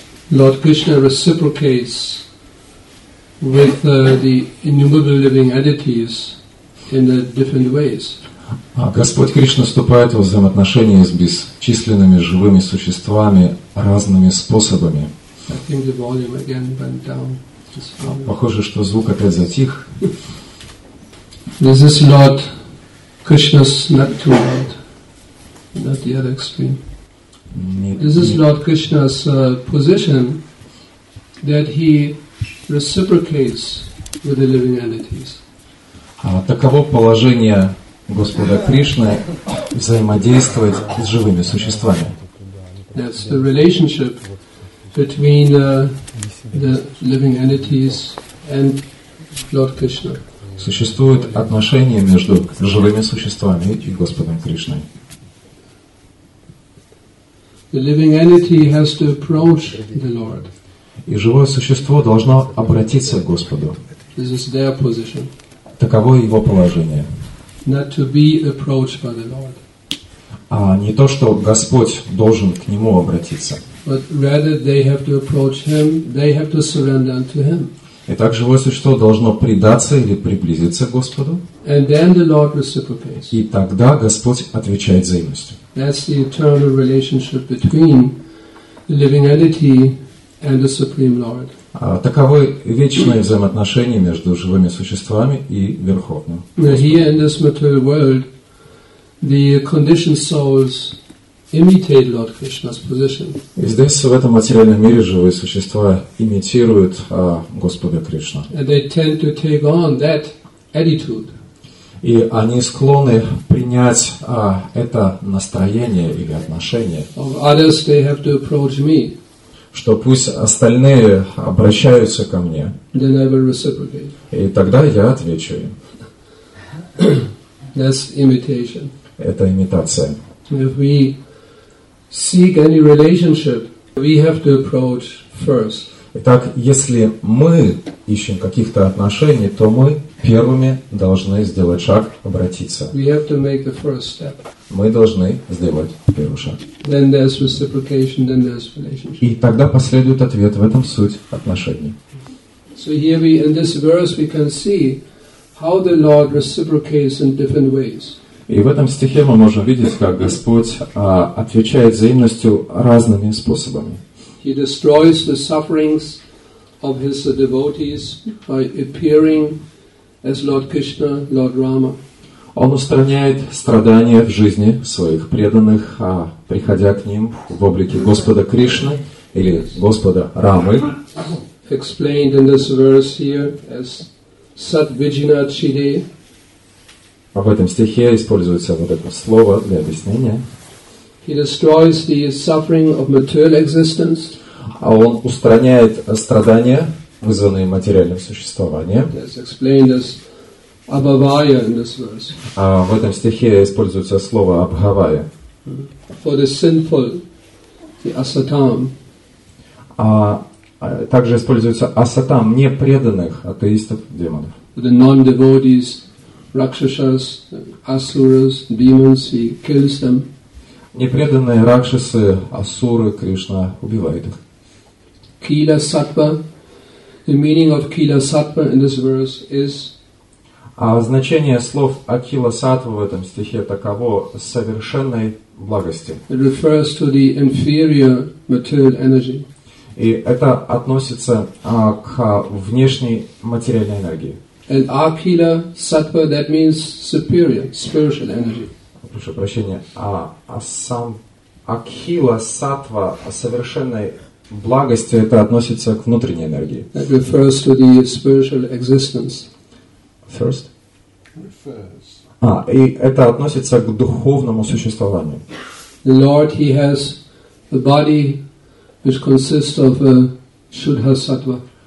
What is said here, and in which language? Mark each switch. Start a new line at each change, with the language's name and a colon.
English: Lord Krishna reciprocates with the innumerable living entities in the different ways.
Russian: Господь Кришна вступает в взаимоотношения с бесчисленными живыми существами разными способами.
English: I think the volume again went down.
Russian: Похоже, что звук опять затих.
English: This is not Krishna's natural world, not the other extreme. This is Lord Krishna's position that he reciprocates with the living entities.
Russian: Таково положение Господа Кришны взаимодействовать с живыми существами.
English: That's the relationship between the living entities and Lord Krishna.
Russian: Существует отношение между живыми существами и Господом Кришной.
English: The living entity has to approach the Lord.
Russian: И живое существо должно обратиться к Господу.
English: This is their position.
Russian: Таково его положение.
English: Not to be approached by the Lord.
Russian: А не то, что Господь должен к нему обратиться.
English: But rather they have to approach him, they have to surrender unto him.
Russian: Итак, живое существо должно предаться или приблизиться к Господу.
English: And then the Lord reciprocates.
Russian: И тогда Господь отвечает взаимностью.
English: That's the eternal relationship between the living entity and the Supreme Lord.
Russian: Таковы вечные взаимоотношения между живыми существами и Верховным.
English: Now here in this material world, the conditioned souls imitate Lord Krishna's position.
Russian: Здесь, в этом материальном мире, живые существа имитируют Господа Кришну.
English: And they tend to take on that attitude.
Russian: И они склонны принять это настроение или отношение.
English: Of others, they have to approach me.
Russian: Что пусть остальные обращаются ко мне.
English: Then I will reciprocate.
Russian: И тогда я отвечу им.
English: That's imitation.
Russian: Это имитация.
English: If we seek any relationship, we have to approach first.
Russian: Итак, если мы ищем каких-то отношений, то мы первыми должны сделать шаг, обратиться.
English: We have to make the first step.
Russian: Мы должны сделать первый шаг.
English: Then there's reciprocation, then there's relationship.
Russian: И тогда последует ответ. В этом суть отношений.
English: So here we, in this verse, we can see how the Lord reciprocates in different ways.
Russian: И в этом стихе мы можем видеть, как Господь отвечает взаимностью разными способами.
English: He destroys the sufferings of his devotees by appearing as Lord Krishna, Lord Rama.
Russian: Он устраняет страдания в жизни своих преданных, приходя к ним в облике Господа Кришны или Господа Рамы.
English: Explained in this verse here as Satvijina Chide.
Russian: А в этом стихе используется вот это слово для объяснения.
English: He destroys the suffering of material existence.
Russian: А он устраняет страдания, вызванные материальным существованием.
English: That's explained as abhavaya in this verse.
Russian: А в этом стихе используется слово абхавая.
English: For the sinful, the asatam.
Russian: А также используется асатам, непреданных, атеистов, демонов.
English: The non-devotees.
Russian: Ракшасас, асурас, демонов,
English: he kills them.
Russian: Непреданные ракшасы, асуры, Кришна убивает их.
Sanskrit: Кила сатва,
English: The meaning of Kila Sattva in this verse is.
Russian: А значение слов Акила Сатва в этом стихе таково совершенной благости.
English: It refers to the inferior material energy.
Russian: И это относится к внешней материальной энергии.
English: And Akila Sattva, that means superior spiritual energy.
Russian: Прошу прощения. А сам Акила Сатва совершенной благости это относится к внутренней энергии.
English: It refers to the spiritual existence. First.
Russian: А, и это относится к духовному существованию.
English: The Lord, He has a body which consists of a Shuddha Sattva.